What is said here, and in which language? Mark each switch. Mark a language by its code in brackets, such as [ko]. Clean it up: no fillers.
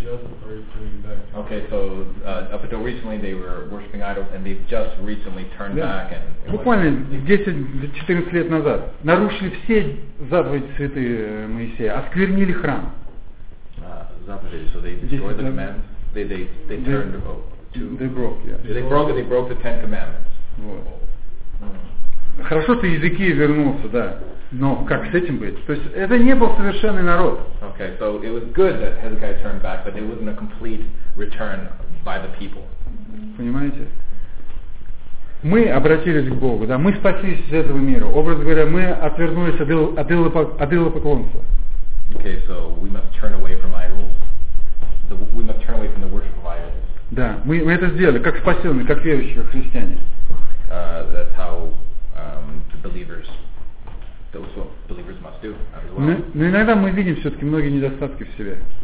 [en] Just started turning back. Okay, so up until recently, they were worshipping idols, and they've just recently turned back. And [ru] буквально 10-14 лет назад нарушили все заповеди святые Моисея, осквернили храм. Заповеди. [en] So they destroyed the commandments. They turned to. They broke. Yeah. They broke the Ten Commandments. [ru] Хорошо, что языки вернулся, да. Но как с этим быть? То есть это не был совершенный народ. [en] Okay, so it was good that Hezekiah turned back, but it wasn't a complete return by the people. [ru] Понимаете? Мы обратились к Богу, да, мы спаслись из этого мира. Образно говоря, мы отвернулись от идолопоклонства. [en] Okay, so we must turn away from idols. We must turn away from the worship of idols. [ru] Да, мы это сделали, как спасенные, как верующие христиане. [en] That's how believers, those who believers must do as well. [ru] Но иногда мы видим все-таки многие недостатки в себе.